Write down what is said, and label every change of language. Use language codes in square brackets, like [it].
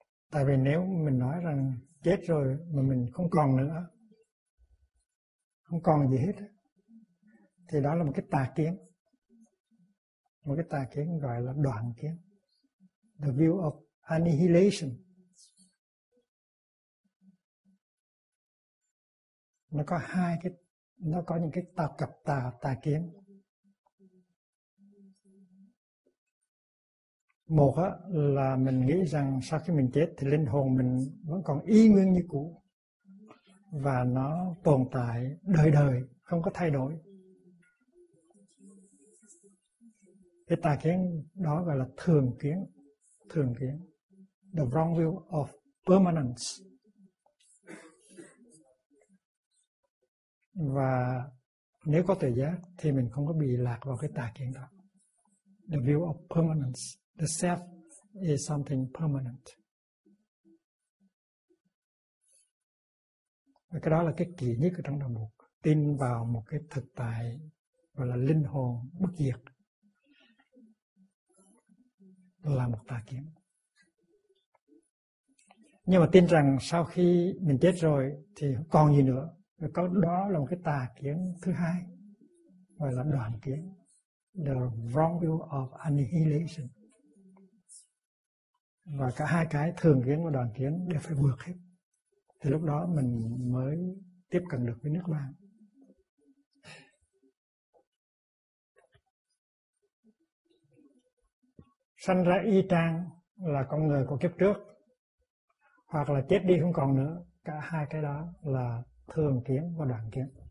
[vi] Tại vì nếu mình nói rằng chết rồi mà mình không còn nữa, không còn gì hết, thì đó là một cái tà kiến. Một cái tà kiến gọi là đoạn kiến. [en] The view of annihilation. [vi] Nó có hai cái, nó có những cái tà kiến. Một là mình nghĩ rằng sau khi mình chết thì linh hồn mình vẫn còn y nguyên như cũ, và nó tồn tại đời đời, không có thay đổi. Cái tà kiến đó gọi là thường kiến, [en] the wrong view of permanence. [vi] Và nếu có tuệ giác thì mình không có bị lạc vào cái tà kiến đó. [en] The view of permanence. The self is something permanent. [vi] Và cái đó là cái kỳ nhất ở trong đạo Phật. Tin vào một cái thực tại gọi là linh hồn bất diệt là một tà kiến. Nhưng mà tin rằng sau khi mình chết rồi thì còn gì nữa, có đó là một cái tà kiến thứ hai, gọi là đoạn kiến. [en] The wrong view of annihilation. [vi] Và cả hai cái thường kiến và đoạn kiến đều phải vượt hết. Thì lúc đó mình mới tiếp cận được với Niết Bàn. Sanh ra y trang là con người của kiếp trước, hoặc là chết đi không còn nữa, cả hai cái đó là thường kiến và đoạn kiến.